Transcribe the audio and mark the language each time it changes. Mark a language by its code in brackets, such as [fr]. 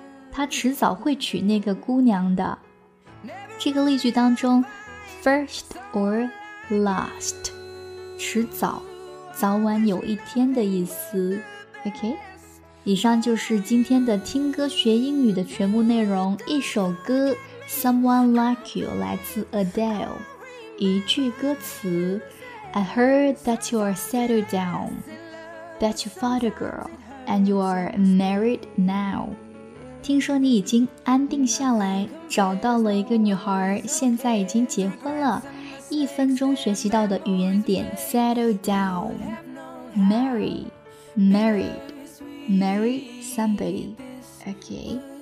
[zh] 他迟早会娶那个姑娘的。这个例句当中 [en] first or last， [zh] 迟早，早晚有一天的意思。 OK， 以上就是今天的听歌学英语的全部内容。一首歌 [en] Someone Like You， 来自 Adele， [zh] 一句歌词 [en] I heard that you are settled down, that you found a girl, And you are married now. [zh] 听说你已经安定下来，找到了一个女孩，现在已经结婚了。一分钟学习到的语言点 Settle down. Marry. Married. [en] Marry somebody. OK.